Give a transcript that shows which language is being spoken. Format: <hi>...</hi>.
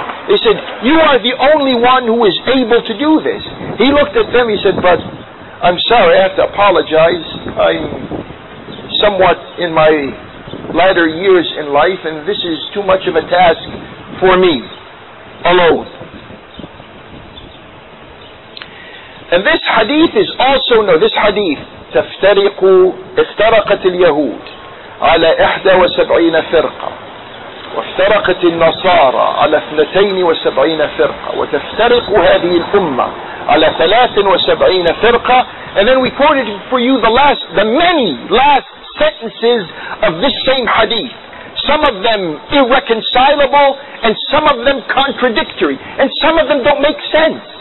<en>They said, you are the only one who is able to do this. He looked at them, he said, but I'm sorry, I have to apologize. I'm somewhat in my latter years in life, and this is too much of a task for me alone. And this hadith is also, no, this hadith,</en> <ar>تَفْتَرِقُوا اِفْتَرَقَتِ الْيَهُودِ عَلَىٰ 71 فِرْقَةً وافترقت النصارى على 72 فرقة وتفترق هذه الأمة على 73 فرقة.</ar> <en>And then we quoted for you the many last sentences of this same hadith. Some of them irreconcilable and some of them contradictory and some of them don't make sense.</en>